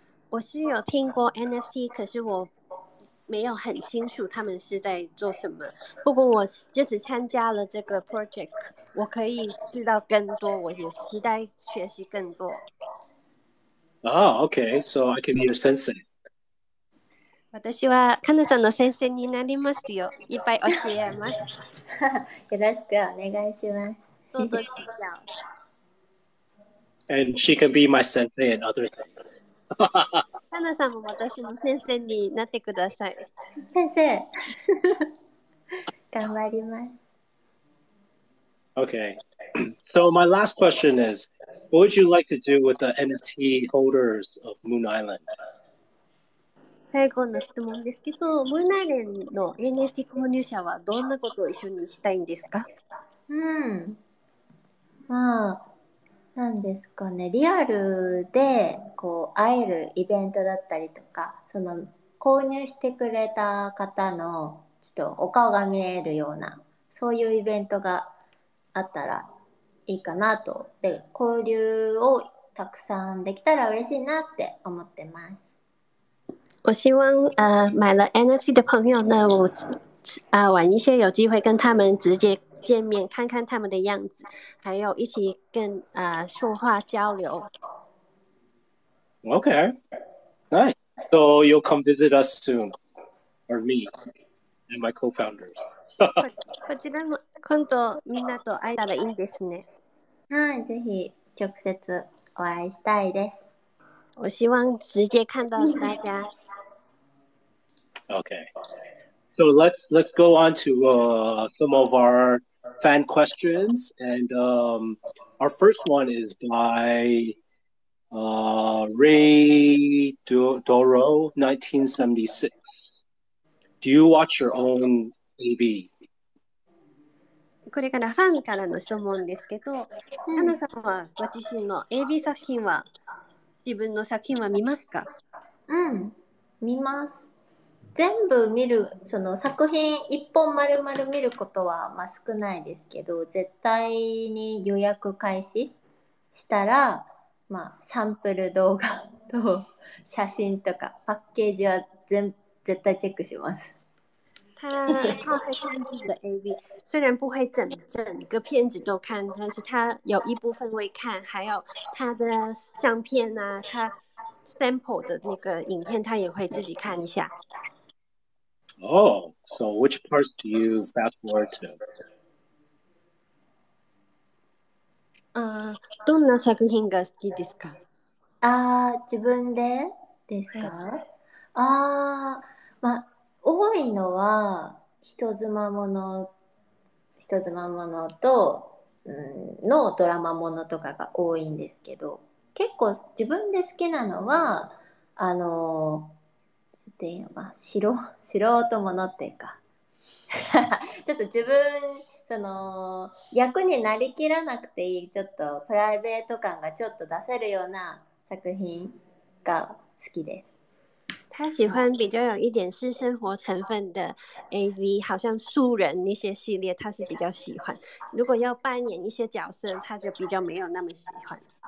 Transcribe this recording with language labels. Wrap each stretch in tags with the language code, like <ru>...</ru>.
<zh>我是有听过 NFT， 可是我没有很清楚他们是在做什么，不过我这次参加了这个 project， 我可以知道更多，我也期待学习更多。</zh> <en>Oh, okay. So I can be your sensei.</en> <ja>私はカナさんの先生になりますよ。いっぱい教えます。よろしくお願いします。どうぞ指導。</ja> <en>And she can be my sensei and other things.</en> <ja>カナさんも私の先生になってください。先生。頑張ります。</ja> <en>Okay. So my last question is,What would you like to do with the NFT holders of Moon Island?</en> <ja>最後の質問ですけど、Moon Island の NFT 購入者はどんなことを一緒にしたいんですか？まあ、なんですかね、リアルでこう会えるイベントだったりとか、その購入してくれた方のちょっとお顔が見えるような、そういうイベントがあったらいいかなと。で、交流をたくさんできたら嬉しいなって思ってます。</ja> <zh>我希望买了 NFT 的朋友呢，我晚一些有机会跟他们直接见面，看看他们的样子，还有一起跟说话交流。</zh> <en>Okay, nice. So you'll come visit us soon, or me and my co-founders.</en> <ja>こちらも今度みんなと会えたらいいんですね。はい、ぜひ直接お会いしたいです。</ja> <zh>我希望直接看到大家。</zh> <en>Okay, so let's go on to some of our fan questions, and our first one is by Ray Doro 1976. Do you watch your own AB?</en> <ja>これからファンからの質問ですけど、タナさんはご自身の AB 作品は、自分の作品は見ますか？うん、見ます。全部見る、その作品一本丸々見ることは、まあ、少ないですけど、絶対に予約開始したら、まあ、サンプル動画と写真とかパッケージは絶対チェックします。</ja> <zh>他会看自己的 AV， 虽然不会整个片子都看，但是他有一部分会看，还有他的相片啊，他 sample 的那个影片，他也会自己看一下。</zh> <en>Oh, so which parts do you fast forward to?</en> <ja>どんな作品が好きですか？自分でですか？まあ。多いのは人妻ものと、うん、のドラマものとかが多いんですけど、結構自分で好きなのはあのっていうか、素人ものっていうかちょっと自分その役になりきらなくていい、ちょっとプライベート感がちょっと出せるような作品が好きです。</ja> <zh>他喜欢比较有一点私生活成分的 AV， 好像素人那些系列他是比较喜欢，如果要扮演一些角色他就比较没有那么喜欢。</zh>